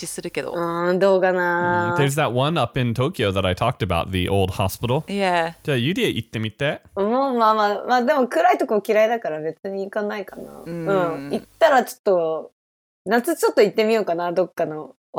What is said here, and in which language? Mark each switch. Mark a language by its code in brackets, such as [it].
[ja] もう一生お化け屋敷に入んないって。へえ、でも日本のお化け屋敷そこまで怖くないけど。そう？うん。え、でも結構怖いイメージするけど。うん、どうかな。 [en] There's that one up in Tokyo that I talked about, the old hospital. [ja] Yeah。じゃあユリア行ってみて。もうまあまあまあ、でも暗いとこ嫌いだから別に行かないかな。うん。行ったらちょっと夏ちょっと行ってみようかな、どっかの。